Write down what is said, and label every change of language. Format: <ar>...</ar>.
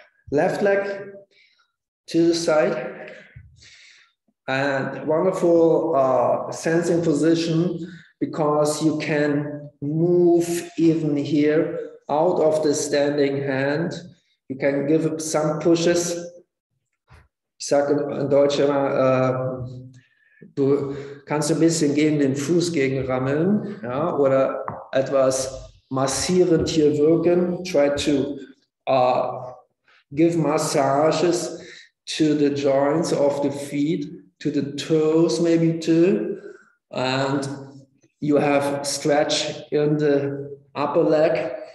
<en>Left leg to the side. And wonderful sensing position, because you can move even here out of the standing hand. You can give some pushes.</en> <de>Ich sage in Deutsch immer, du kannst ein bisschen gegen den Fuß gegenrammeln, ja, oder etwas massierend hier wirken.</de> <en>Try to give massages to the joints of the feet, to the toes maybe too. And you have stretch in the upper leg.</en>